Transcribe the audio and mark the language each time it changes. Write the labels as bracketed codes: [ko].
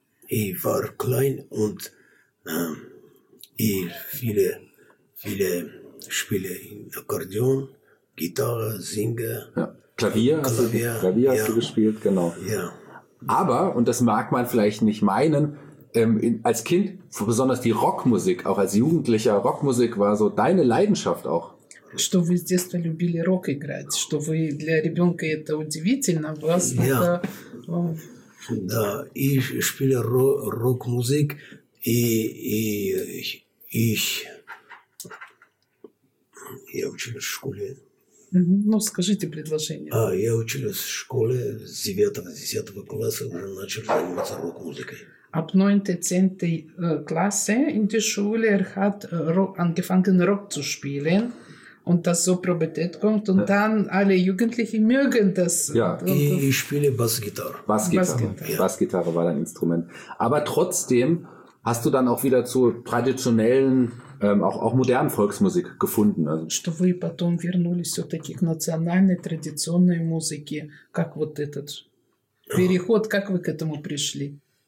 [de] Ich war klein und ich viele Spiele im Akkordeon, Gitarre, Singen. Ja. Klavier hast du gespielt, genau. Ja. Aber, und das mag man vielleicht nicht meinen, Als Kind, besonders die Rockmusik, auch als Jugendlicher, Rockmusik war so deine Leidenschaft auch. [ru] Что вы с детства любили рок играть, что вы для ребенка это удивительно, вас [de] ja. [ru] Это. Да, [de] ich spiele Rockmusik [ru] и [de] ich [ru] я училась в школе. Ну, скажите предложение. А, я училась в школе с 9-10 класса, уже начал заниматься рок-музыкой. [de] Ab 9-10 Klasse in der Schule hat angefangen Rock zu spielen. Und das so probiert kommt und dann alle Jugendlichen mögen das. Ja, ich spiele Bassgitarre. Bassgitarre war dein Instrument. Aber trotzdem hast du dann auch wieder zu traditionellen, auch modernen Volksmusik gefunden. [ru] Что вы потом вернулись все-таки к национальной традиционной музыке? Как вот этот переход, как вы к этому пришли?